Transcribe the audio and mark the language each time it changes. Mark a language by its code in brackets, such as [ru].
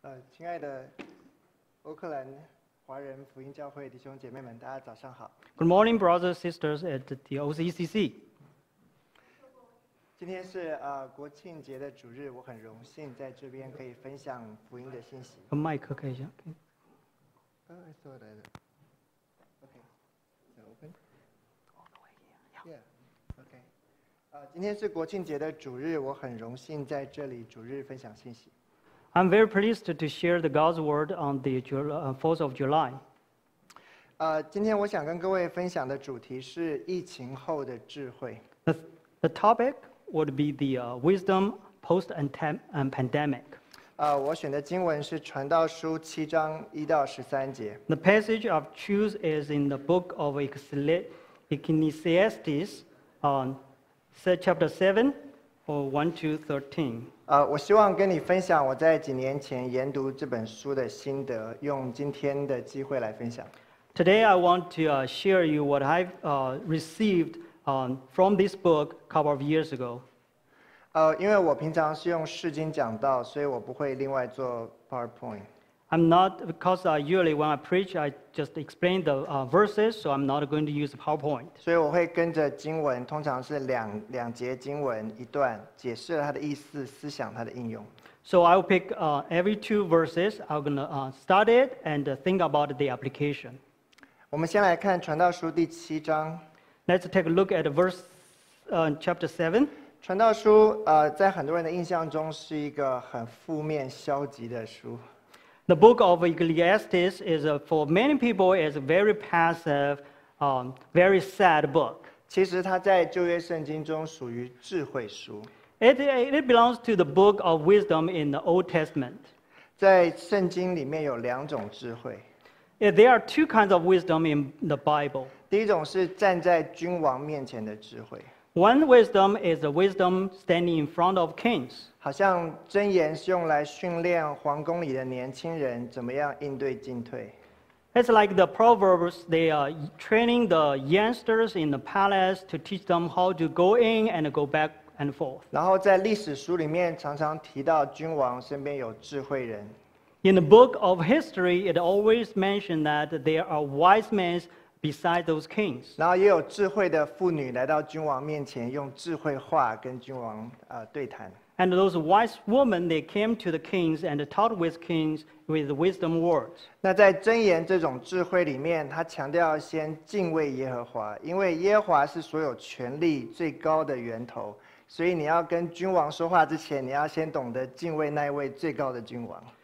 [zh] 亲爱的欧克兰华人福音教会弟兄姐妹们，大家早上好。 [en] Good morning, brothers and sisters at the OCCC. [zh] 今天是国庆节的主日，我很荣幸在这边可以分享福音的信息。麦克开一下。 [en] I saw it either. Okay, is that open? All the way here. Yeah. Okay. [zh] 今天是国庆节的主日，我很荣幸在这里主日分享信息。 [en] I'm very pleased to share the God's word on the 4th of July. [zh] 今天我想跟各位分享的主题是疫情后的智慧。 [en] The topic would be the wisdom post and pandemic. [zh] 我选的经文是传道书七章一到十三节。 [en] The passage I've choose is in the book of Ecclesiastes, chapter 7, or 1 to 13. [zh] 我希望跟你分享我在几年前研读这本书的心得，用今天的机会来分享。 [en] Today I want to share you what I've received from this book a couple of years ago. [zh] 因为我平常是用释经讲道，所以我不会另外做 PowerPoint. [en] I'm not, because usually when I preach, I just explain the verses, so I'm not going to use PowerPoint. [zh] 所以我会跟着经文，通常是两节经文一段，解释了它的意思、思想、它的应用。 [en] So I will pick every two verses. I'm going to start it and think about the application. [zh] 我们先来看传道书第七章。 [en] Let's take a look at chapter 7. [zh] 传道书在很多人的印象中是一个很负面、消极的书。 [en] The book of Ecclesiastes is for many people is a very passive, very sad book. [zh] 其实它在旧约圣经中属于智慧书。 [en] It belongs to the book of wisdom in the Old Testament. [zh] 在圣经里面有两种智慧。 [en] There are two kinds of wisdom in the Bible. [zh] 第一种是站在君王面前的智慧。 [en] One wisdom is the wisdom standing in front of kings. [zh] 好像箴言是用来训练皇宫里的年轻人怎么样应对进退。 [en] It's like the proverbs, they are training the youngsters in the palace to teach them how to go in and go back and forth. [zh] 然后在历史书里面常常提到君王身边有智慧人。 [en] In the book of history, it always mentioned that there are wise men. Beside those kings, [zh] 然后也有智慧的妇女来到君王面前，用智慧话跟君王对谈。 [en] And those wise women, they came to the kings and talked with kings with wisdom words. [zh] 那在箴言这种智慧里面，他强调先敬畏耶和华，因为耶和华是所有权力最高的源头。所以你要跟君王说话之前，你要先懂得敬畏那位最高的君王。